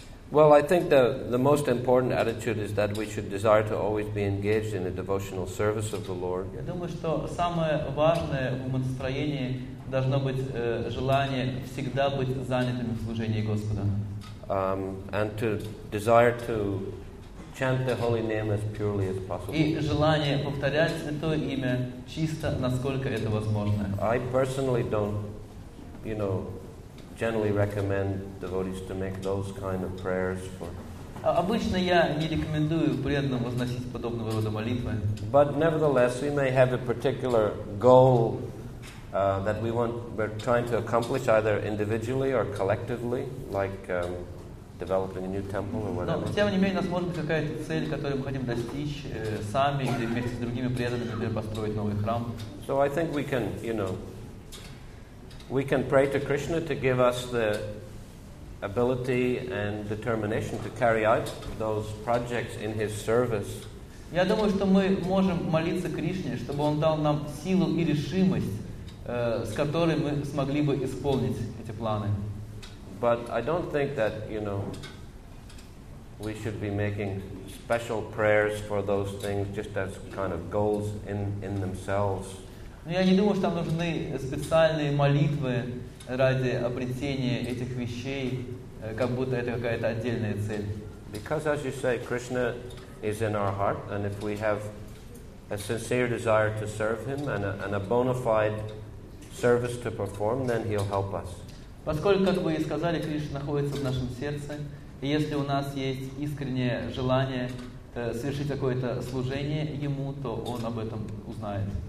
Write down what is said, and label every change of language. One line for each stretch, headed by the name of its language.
English: Well, I think the most important attitude is that we should desire to always be engaged in the devotional service of the Lord.
Russian: Я думаю, что самое важное в настроении должно быть желание всегда быть занятым в служении Господа.
English: And to desire to chant the holy name as purely as possible.
Russian: И желание повторять святое имя чисто, насколько это возможно.
English: I personally don't you know, generally recommend devotees to make those kind of prayers for.
Russian: Обычно я не рекомендую преданным возносить подобного рода молитвы.
English: But nevertheless, we may have a particular goal that we want, we're trying to accomplish either individually or collectively, like developing a new temple or whatever.
Russian: Но тем не менее, у нас может быть какая-то цель, которую мы хотим достичь сами или вместе с другими преданными, например, построить новый храм.
English: So I think we can, you know, we can pray to Krishna to give us the ability and determination to carry out those projects in His service.
Russian: Я думаю, что мы можем молиться Кришне, чтобы Он дал нам силу и решимость, с которой мы смогли бы исполнить эти планы.
English: But I don't think that, you know, we should be making special prayers for those things just as kind of goals in themselves.
Russian: Но я не думаю, что нам нужны специальные молитвы ради обретения этих вещей, как будто это какая-то отдельная цель.
English: Because, as you say, Krishna is in our heart, and if we have a sincere desire to serve Him and a bona fide service to perform, then He'll help us.
Russian: Поскольку, как вы и сказали, Кришна находится в нашем сердце, и если у нас есть искреннее желание совершить какое-то служение Ему, то Он об этом узнает.